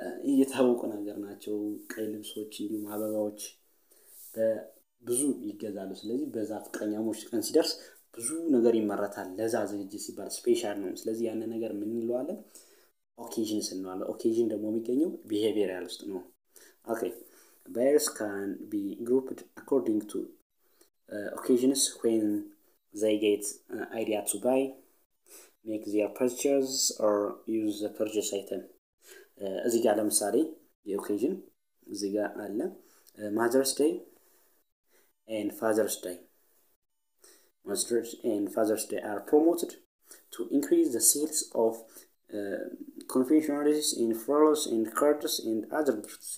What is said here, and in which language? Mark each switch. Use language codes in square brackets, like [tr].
[am] እየታወቁ ነገር ናቸው። ቀይ ልብሶች እንዲሁም አበባዎች ብዙ ይገዛሉ። ስለዚህ በዛ ፍቅረኛሞች ቀን ሲደርስ ብዙ ነገር ይመረታል። ለዛ ዝግጅት ሲባል ስፔሻል ነው። ስለዚህ ያንን ነገር ምን እንለዋለን? ኦኬዥን ስንለዋለን። ኦኬዥን ደግሞ የሚገኘው ቢሄቪየራል ውስጥ ነው። ኦኬ [en] bears can be grouped according to occasions when they get idea to buy, make their purchases or use the purchase item. [am] እዚህ ጋር ለምሳሌ የኦኬዥን እዚህ ጋር አለ [en] Mother's Day and Father's Day. Mother's and Father's Day are promoted to increase the sales of confectionaries in florals and cards and other gifts.